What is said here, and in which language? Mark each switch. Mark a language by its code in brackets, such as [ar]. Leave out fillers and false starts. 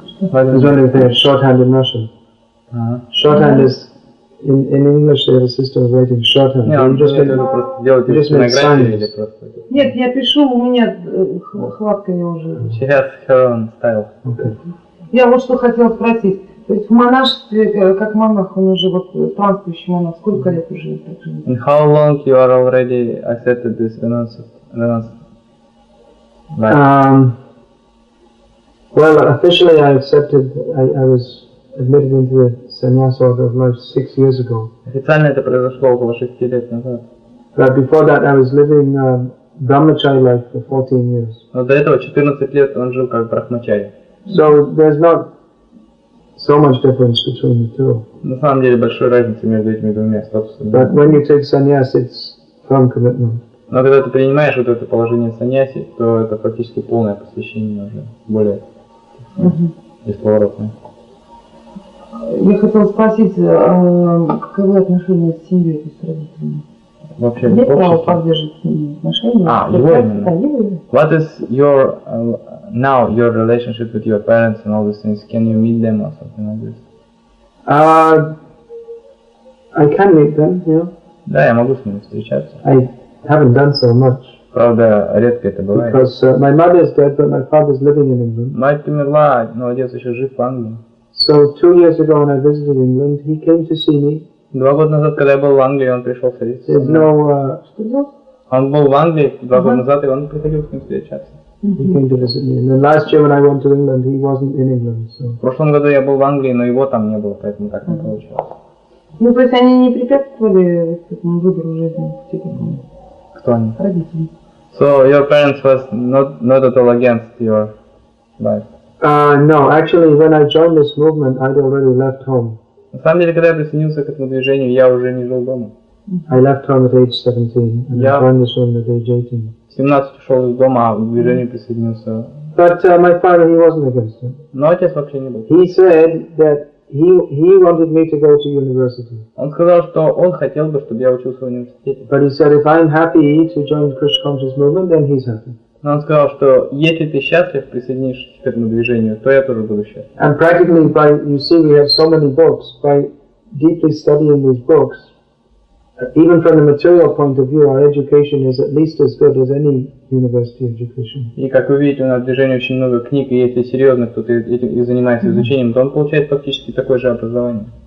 [en] I don't know if they have shorthand in Russian. Shorthand is In English they have a system of writing shorthand. [ru] Нет, [en] you just [ru] делаете [en] just [ru] на грани или просто? Нет, я пишу, у меня хватка я уже. Сейчас Heron style. Я вот что хотела спросить. То есть в монашестве, как монах, он уже вот транспирующий монах, сколько лет уже? [en] And how long you are already accepted this renunciation? Well, officially I accepted, I was admitted into the sannyas order of life 6 years ago. [ru] Официально это произошло около 6 лет назад. [en] But before that I was living brahmachari life for 14 years. [ru] Но до этого 14 лет он жил как брахмачари. [en] So there's not so much difference between the two. [ru] На самом деле большой разницы между этими двумя статусами. [en] But when you take sannyas, it's firm commitment. [ru] Но когда ты принимаешь вот это положение саньяси, то это практически полное посвящение уже, более бесповоротное. Я хотел спросить, каковы отношения с семьей, с родителями? Вообще, нет права поддерживать отношения? [en] What is your now your relationship with your parents and all these things? Can you meet them or something like this? I can meet them, yeah. [ru] Да, я могу с ними встречаться. [en] I haven't done so much. [ru] Правда, редко это бывает. [en] Because my mother is dead, but my father is living in England. [ru] Мать умерла, но отец еще жив в Англии. [en] So 2 years ago when I visited England, he came to see me. [ru] 2 года назад, когда я был в Англии, он пришел встретиться. [en] There's no [ru] Он был в Англии 2 года назад, и он приходил с ним встречаться. [en] He came to visit me. And then last year when I went to England, he wasn't in England. So. [ru] В прошлом году я был в Англии, но его там не было, поэтому так не получилось. Ну, то есть они не препятствовали этому выбору жизни типа. Кто они? Родители. [en] So your parents was not at all against your life. No, actually, when I joined this movement, I'd already left home. [ru] На самом деле, когда я присоединился к этому движению, я уже не жил дома. [en] I left home at age 17, and I joined this movement at age 18. [ru] 17 ушел из дома, а в движение присоединился. [en] But my father, he wasn't against it. [ru] Но отец вообще не был. [en] He said that he wanted me to go to university. [ru] Он сказал, что он хотел бы, чтобы я учился в университете. [en] But he said, if I'm happy to join the Krishna conscious movement, then he's happy. [ru] Но он сказал, что если ты счастлив, присоединишься к этому движению, то я тоже буду счастлив. [en] And practically, by you see, we have so many books. By deeply studying these books, even from the material point of view, our education is at least as good as any university education. [ru] И как вы видите, у нас в движении очень много книг, и если серьезно кто-то и занимается изучением, то он получает практически такое же образование.